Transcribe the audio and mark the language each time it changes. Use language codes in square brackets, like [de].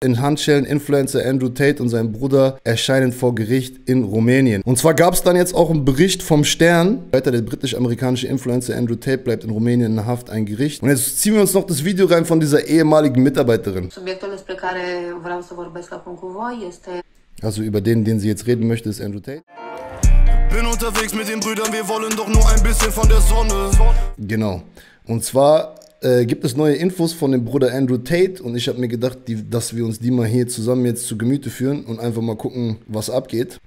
[de] In Handschellen Influencer Andrew Tate und sein Bruder erscheinen vor Gericht in Rumänien. Und zwar gab es dann jetzt auch einen Bericht vom Stern. Weiter, der britisch-amerikanische Influencer Andrew Tate bleibt in Rumänien in Haft, ein Gericht. Und jetzt ziehen wir uns noch das Video rein von dieser ehemaligen Mitarbeiterin. [ro] Subiectul despre care vreau să vorbesc acum cu voi este... [de] Also über den sie jetzt reden möchte, ist Andrew Tate. Bin unterwegs mit den Brüdern, wir wollen doch nur ein bisschen von der Sonne. Genau. Und zwar... gibt es neue Infos von dem Bruder Andrew Tate und ich habe mir gedacht, dass wir uns die mal hier zusammen jetzt zu Gemüte führen und einfach mal gucken, was abgeht.